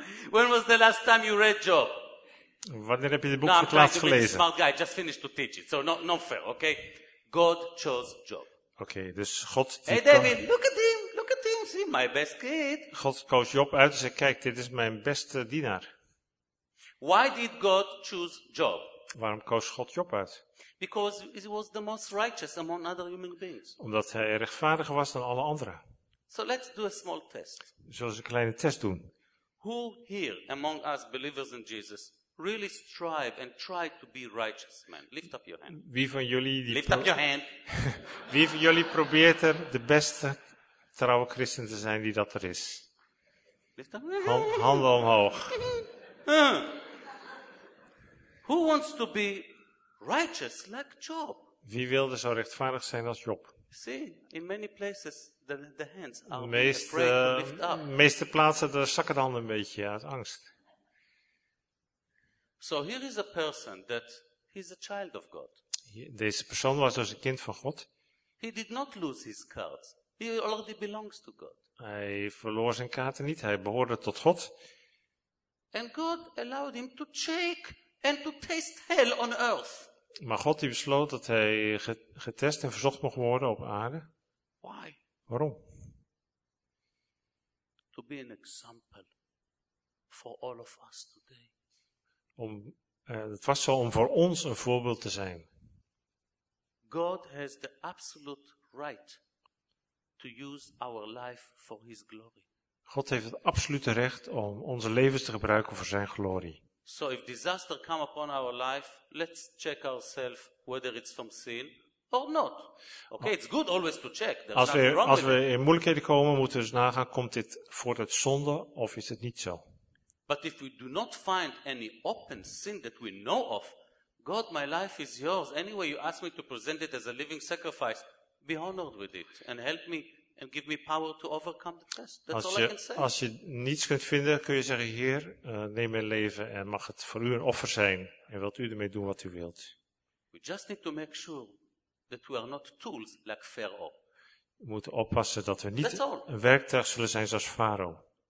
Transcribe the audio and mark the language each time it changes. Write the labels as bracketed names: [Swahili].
[English] When was the last time you read Job? [Dutch] Wanneer heb je dit boek voor het laatst gelezen? [English] Smart guy, just finished to teach it, so not fair, okay? God chose Job. [Dutch] Okay, dus God. [English] Hey David, look at him, see my best kid. [Dutch] God koos Job uit en zei, kijk, dit is mijn beste dienaar. [English] Why did God choose Job? [Dutch] Waarom koos God Job uit? [English] Because he was the most righteous among other human beings. [Dutch] Omdat hij rechtvaardiger was dan alle anderen. [English] So let's do a small test. [Dutch] Zullen we een kleine test doen? [English] Who here among us believers in Jesus? Really strive and try to be righteous man. Lift up your hand. [Dutch] Wie van jullie die [English] lift up your hand. [Dutch] Wie van jullie probeert er de beste trouwe christen te zijn die dat er is? [English] Lift up. [Dutch] Handen omhoog. [English] Who wants to be righteous like Job? [Dutch] Wie wilde zo rechtvaardig zijn als Job? [English] See, in many places the hands are afraid to lift up. [Dutch] Meeste plaatsen de zakken de handen een beetje uit angst. [English] So here is a person that he's a child of God. [Dutch] Deze persoon was dus een kind van God. [English] He did not lose his cards. He already belongs to God. [Dutch] Hij verloor zijn kaarten niet. Hij behoorde tot God. [English] And God allowed him to shake and to taste hell on earth. [Dutch] Maar God die besloot dat hij getest en verzocht mocht worden op aarde. [English] Why? [Dutch] Waarom? [English] to be an example for all of us today. [Dutch] Het was zo om voor ons een voorbeeld te zijn. [English] God has the absolute right to use our life for his glory. [Dutch] God heeft het absolute recht om onze levens te gebruiken voor zijn glorie. [English] So if disaster come upon our life, let's check ourselves whether it's from sin or not. Okay, it's good always to check. [Dutch] Als we in moeilijkheden komen, moeten we dus nagaan, komt dit voort uit zonde of is het niet zo? [English] But if we do not find any open sin that we know of, God, my life is yours. Anyway, you ask me to present it as a living sacrifice. Be honored with it and help me and give me power to overcome the test. That's all I can say. [Dutch] Als je niets kunt vinden, kun je zeggen, Heer, neem mijn leven en mag het voor u een offer zijn. En wilt u ermee doen wat u wilt. [English] We just need to make sure that we are not tools like Pharaoh. [Dutch] We moeten oppassen dat we niet een werktuig zullen zijn zoals Farao.